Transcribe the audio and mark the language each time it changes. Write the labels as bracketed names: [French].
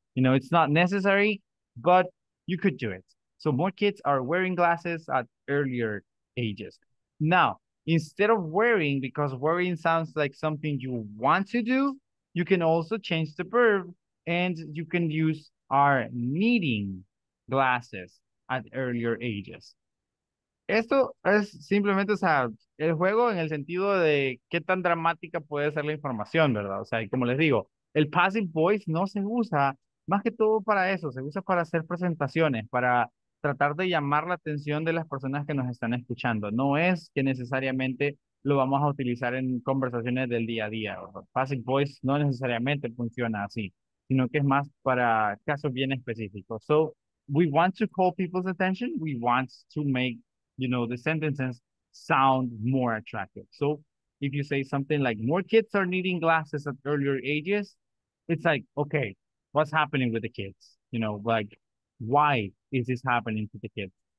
[English] You know, it's not necessary, but you could do it. So more kids are wearing glasses at earlier ages. Now, instead of wearing, because wearing sounds like something you want to do, you can also change the verb and you can use are needing glasses at earlier ages. [Spanish] Esto es simplemente, o sea, el juego en el sentido de qué tan dramática puede ser la información, ¿verdad? O sea, y como les digo, el passive voice no se usa más que todo para eso, se usa para hacer presentaciones, para tratar de llamar la atención de las personas que nos están escuchando. No es que necesariamente lo vamos a utilizar en conversaciones del día a día. Passive voice no necesariamente funciona así, sino que es más para casos bien específicos. [English] So, we want to call people's attention. We want to make, you know, the sentences sound more attractive. So, if you say something like, more kids are needing glasses at earlier ages, it's like, okay, what's happening with the kids? You know, like, why is this happening to the kids?